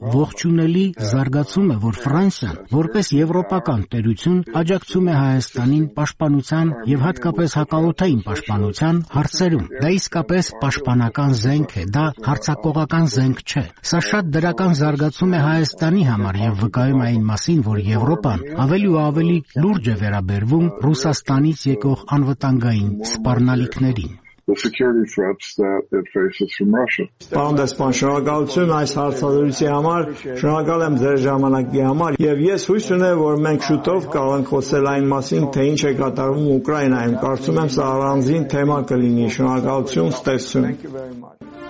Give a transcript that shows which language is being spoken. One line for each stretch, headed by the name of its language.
Armenian: ողջունելի զարգացում է, որ Ֆրանսիան, որպես եվրոպական տերություն, աջակցում է Հայաստանին պաշտպանության և հատկապես հակաօդային պաշտպանության հարցերում։ Դա իսկապես պաշտպանական զենք է, դա հարձակողական զենք չէ։ Սա շատ դրական զարգացում է Հայաստանի համար և վկայում այն մասին, որ Եվրոպան ավելի ու ավելի լուրջ է վերաբերվում Ռուսաստանից եկող անվտանգային սպառնալիքներին։
English: The security threats that it faces from Russia.
Armenian: Պանդեսպան, շնորհակալություն այս հարցադրույցի համար, շնորհակալ եմ ձեր ժամանակի համար, և ես հույս ունեմ, որ մենք շուտով կարող խոսել այն մասին, թե ինչ է կատարվում Ուկրաինայում։ Կարծում եմ, սա առանձին թեմա կլինի։ Շնորհակալություն, ստեսություն։